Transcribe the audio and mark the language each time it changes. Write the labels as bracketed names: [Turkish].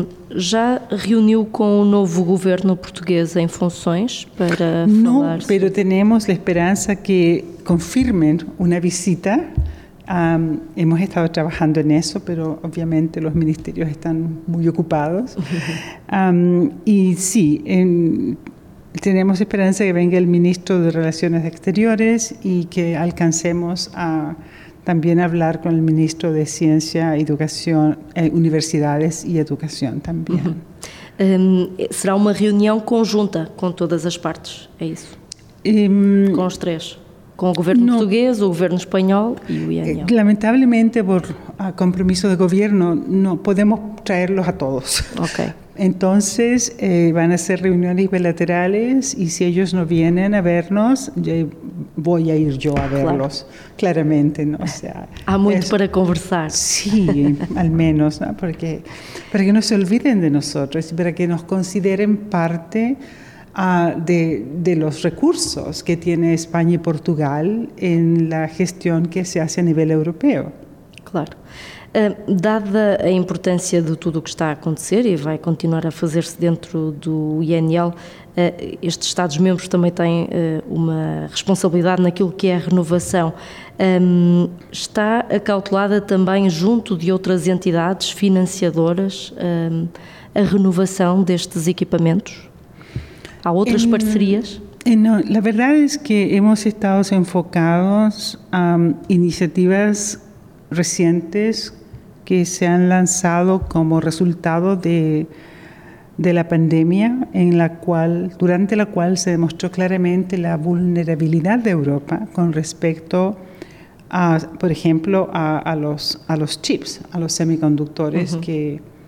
[Portuguese] Já reuniu com o novo governo português em funções para não, falar? Não, mas temos a esperança que confirmem uma visita. [Spanish] Hemos estado trabajando en eso, pero obviamente los ministerios están muy ocupados. Y sí, tenemos esperanza que venga el ministro de Relaciones Exteriores y que alcancemos a también hablar con el ministro de Ciencia, Educación, Universidades y Educación también. [Portuguese] Será una reunión conjunta con todas las partes, ¿es eso? [Spanish] Con los tres. [Portuguese] Com o governo não. Português, o governo espanhol e o INL. Lamentavelmente, por compromisso do governo, não podemos traê-los a todos. Ok. Então, vão ser reuniões bilaterais e se eles não vêm a ver-nos, vou ir eu a ver-los. Claro. Claramente, não? Há muito para conversar. Sim, sí, ao menos, ¿no? Porque para que não se olvidem de nós, para que nos considerem parte [Spanish] de los recursos que tiene España y Portugal en la gestión que se hace a nivel europeo. [Portuguese] Claro. Dada a importância de tudo o que está a acontecer e vai continuar a fazer-se dentro do INL, estes Estados-membros também têm uma responsabilidade naquilo que é a renovação. Está acautelada também junto de outras entidades financiadoras a renovação destes equipamentos? Há outras parcerias? [Spanish] No, la verdad es que hemos estado enfocados a iniciativas recientes que se han lanzado como resultado de la pandemia, en la cual, durante la cual se demostró claramente la vulnerabilidad de Europa con respecto a, por ejemplo, a los chips, a los semiconductores, uh-huh. que